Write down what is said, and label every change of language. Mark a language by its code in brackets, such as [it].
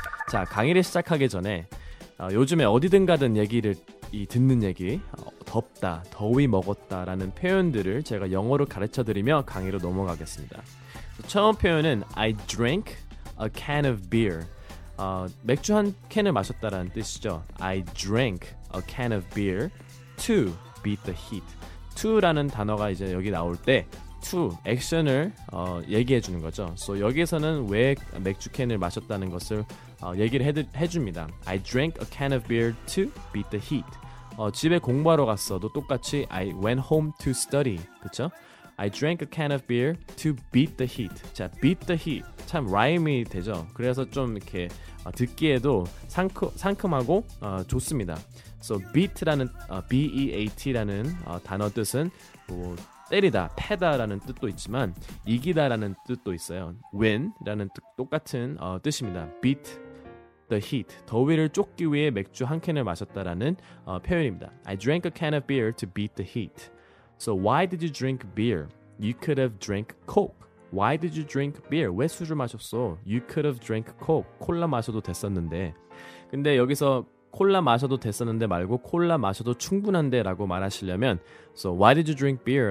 [ko] 자, 강의를 시작하기 전에 요즘에 어디든 가든 얘기를 듣는 얘기, 덥다, 더위 먹었다 라는 표현들을 제가 영어로 가르쳐드리며 강의로 넘어가겠습니다. 처음 표현은 [en] I drank a can of beer. [ko] 맥주 한 캔을 마셨다라는 뜻이죠. [en] I drank a can of beer to beat the heat. [ko] to라는 단어가 이제 여기 나올 때 to, 액션을 얘기해 주는 거죠. So 여기에서는 왜 맥주 캔을 마셨다는 것을 얘기를 해줍니다. [en] I drank a can of beer to beat the heat. [ko] 집에 공부하러 갔어도 똑같이 [en] I went home to study. [ko] 그쵸? [en] I drank a can of beer to beat the heat. [ko] 자, [en] beat the heat. [ko] 참 라임이 되죠. 그래서 좀 이렇게 듣기에도 상큼하고 좋습니다. So beat라는 BEAT라는 단어 뜻은 뭐 때리다, 패다라는 뜻도 있지만 이기다라는 뜻도 있어요. win라는 똑같은 뜻입니다. [en] beat the heat. [ko] 더위를 쫓기 위해 맥주 한 캔을 마셨다라는 표현입니다. [en] I drank a can of beer to beat the heat. So why did you drink beer? You could have drank coke. Why did you drink beer? [ko] 왜 술을 마셨어? [en] You could have drank coke. [ko] 콜라 마셔도 됐었는데. 근데 여기서 콜라 마셔도 됐었는데 말고 콜라 마셔도 충분한데 라고 말하시려면 [en] So why did you drink beer?